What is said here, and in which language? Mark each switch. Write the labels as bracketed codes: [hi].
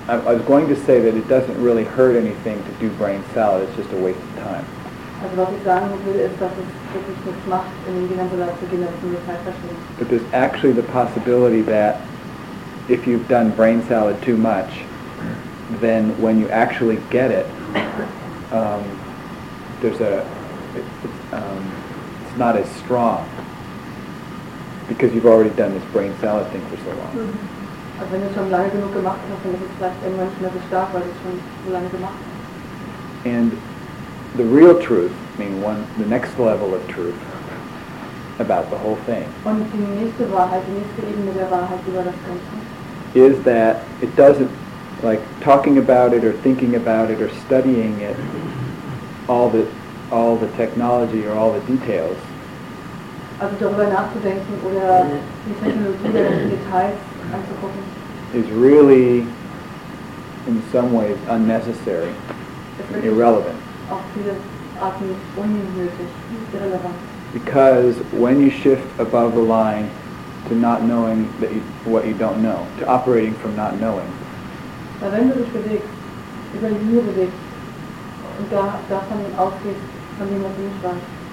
[en] I was going to say that it doesn't really hurt anything to do brain salad, it's just a waste of time. [de] Also was ich sagen würde, ist, dass es wirklich nichts macht, in die ganze Zeit zu gehen, dass es nur Zeit verschwindet. [en] But there's actually the possibility that if you've done brain salad too much, then when you actually get it, it's not as strong because you've already done this brain salad thing for so long. Mm-hmm. [de] Also wenn du schon lange genug gemacht hast, dann ist es vielleicht irgendwann nicht mehr so stark, weil du es schon so lange gemacht hast. [en] And the real truth, meaning one, the next level of truth about the whole thing, [de] und die nächste Wahrheit, die nächste Ebene der Wahrheit über das Ganze, [en] is that it doesn't, like talking about it or thinking about it or studying it, all the technology or all the details. [de] Also darüber nachzudenken oder die Technologie oder die Details anzugucken, [en] is really, in some ways, unnecessary, irrelevant. [de] Auf viele Arten unnötig, irrelevant. [en] Because when you shift above the line to not knowing that you, what you don't know, to operating from not knowing. [de] Weil wenn du dich bewegst, über die Linie bewegst und davon ausgehst, von dem, was du nicht weißt,